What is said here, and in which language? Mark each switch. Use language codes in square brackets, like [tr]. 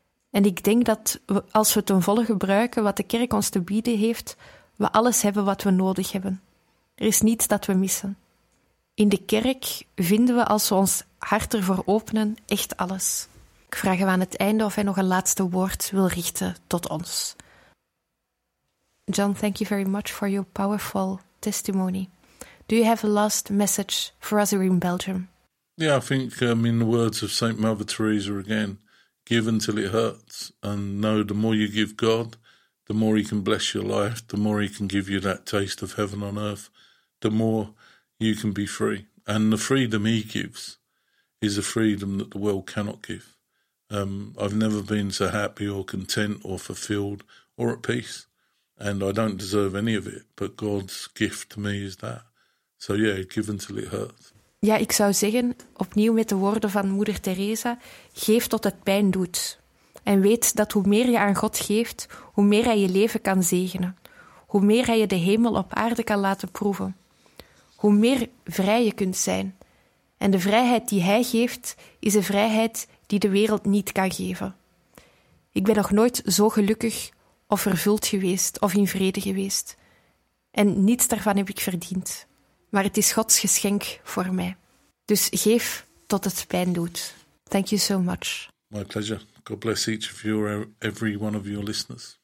[nl] En ik denk dat we, als we ten volle gebruiken wat de kerk ons te bieden heeft, we alles hebben wat we nodig hebben. Er is niets dat we missen. In de kerk vinden we, als we ons hart ervoor openen, echt alles. Ik vraag hem aan het einde of hij nog een laatste woord wil richten tot ons. [en] John, thank you very much for your powerful testimony. Do you have a last message for us here in Belgium? Yeah, I think in the words of St. Mother Teresa again, give until it hurts, and know the more you give God, the more he can bless your life, the more he can give you that taste of heaven on earth, the more you can be free. And the freedom he gives is a freedom that the world cannot give. I've never been so happy or content or fulfilled or at peace, and I don't deserve any of it, but God's gift to me is that. So yeah, give until it hurts. [nl] Ja, ik zou zeggen, opnieuw met de woorden van moeder Teresa, geef tot het pijn doet. En weet dat hoe meer je aan God geeft, hoe meer hij je leven kan zegenen. Hoe meer hij je de hemel op aarde kan laten proeven. Hoe meer vrij je kunt zijn. En de vrijheid die hij geeft, is een vrijheid die de wereld niet kan geven. Ik ben nog nooit zo gelukkig of vervuld geweest of in vrede geweest. En niets daarvan heb ik verdiend. Maar het is Gods geschenk voor mij. Dus geef tot het pijn doet. [en] Thank you so much. My pleasure. God bless each of you or every one of your listeners.